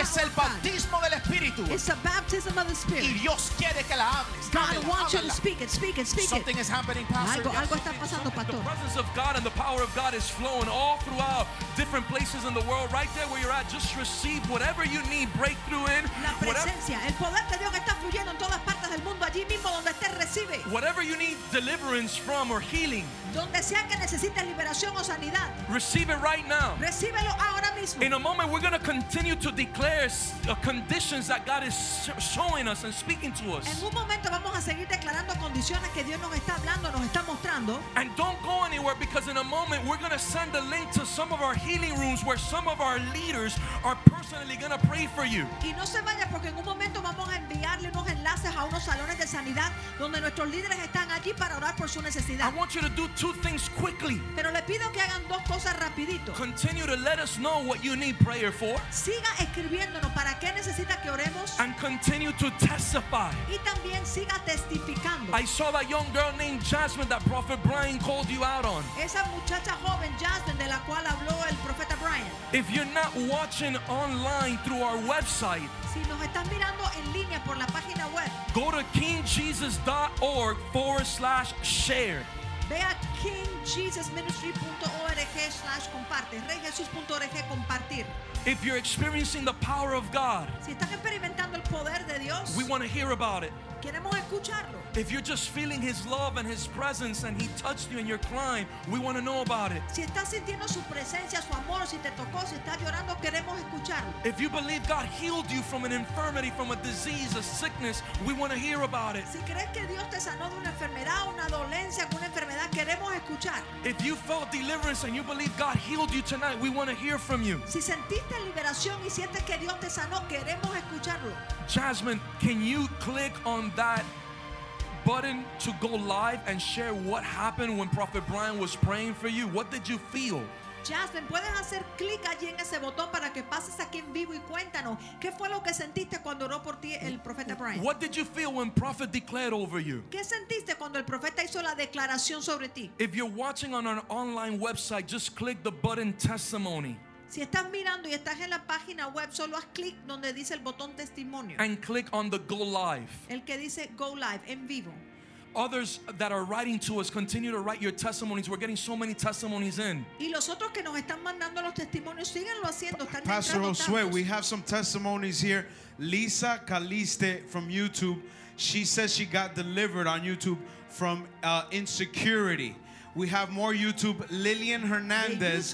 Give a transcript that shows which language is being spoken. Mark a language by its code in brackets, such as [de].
[es] Es el bautismo del Espíritu. [en] It's a baptism of the Spirit. [es] Y Dios quiere que la hables. [en] God wants you to speak it, speak it, speak it. Something is happening, Pastor. [es] Algo está pasando, Pastor. [en] The presence of God and the power of God is flowing all throughout different places in the world. Right there where you're at, just receive whatever you need breakthrough in. [es] La presencia, el poder de Dios está fluyendo en todas partes del mundo. Allí mismo donde estés, recibe. [en] Whatever you need deliverance from or healing. [es] Donde sea que necesites liberación o sanidad. [en] Receive it right now. [es] Recíbelo ahora mismo. [en] In a moment, we're going to continue to declare conditions that God is showing us and speaking to us. [es] En un momento vamos a seguir declarando condiciones que Dios nos está hablando, nos está mostrando. [en] And don't go anywhere, because in a moment we're going to send a link to some of our healing rooms where some of our leaders are personally going to pray for you. [es] Y no se vaya, porque en un momento vamos a enviarle unos enlaces a unos salones de sanidad donde nuestros líderes están allí para orar por su necesidad. [en] I want you to do two things quickly. [es] Pero le pido que hagan dos cosas rapidito. [en] Continue to let us know what you need prayer for. [es] Siga escribiéndonos para qué necesita que oremos. [en] And continue to testify. [es] Y también siga testificando. [en] I saw that young girl named Jasmine that Prophet Brian called you out on. [es] Esa muchacha joven Jasmine de la cual habló el profeta Brian. [en] If you're not watching online through our website, [es] si nos estás mirando en línea por la página web, [en] go to kingjesus.org/share. [es] Ve a kingjesusministry.org/comparte, reyjesus.org/compartir. [en] If you're experiencing the power of God, [es] si estás experimentando el poder de Dios, [en] we want to hear about it. [es] Queremos escucharlo. [en] If you're just feeling His love and His presence and He touched you and you're crying, we want to know about it. [es] Si estás sintiendo su presencia, su amor, si te tocó, si estás llorando, queremos escucharlo. [en] If you believe God healed you from an infirmity, from a disease, a sickness, we want to hear about it. [es] Si crees que Dios te sanó de una enfermedad, una dolencia, una enfermedad, queremos escuchar. [en] If you felt deliverance and you believe God healed you tonight, we want to hear from you. [es] Si sentiste liberación y sientes que Dios te sanó, queremos escucharlo. [en] Jasmine, can you click on that button to go live and share what happened when Prophet Brian was praying for you? What did you feel? [es] Jasmine, puedes hacer clic allí en ese botón para que pases aquí en vivo y cuéntanos qué fue lo que sentiste cuando oró por ti el profeta Brian. [en] What did you feel when Prophet declared over you? [es] ¿Qué sentiste cuando el profeta hizo la declaración sobre ti? [en] If you're watching on our online website, just click the button testimony. [es] Si estás mirando y estás en la página web, solo haz clic donde dice el botón testimonio. [en] And click on the go live. [es] El que dice go live, en vivo. [en] Others that are writing to us, continue to write your testimonies. We're getting so many testimonies in. [es] Y los otros que nos están mandando los testimonios, síganlo haciendo. Están Pastor Josué, tantos. [en] We have some testimonies here. Lisa Caliste from YouTube, she says she got delivered on YouTube from insecurity. We have more YouTube. Lillian Hernandez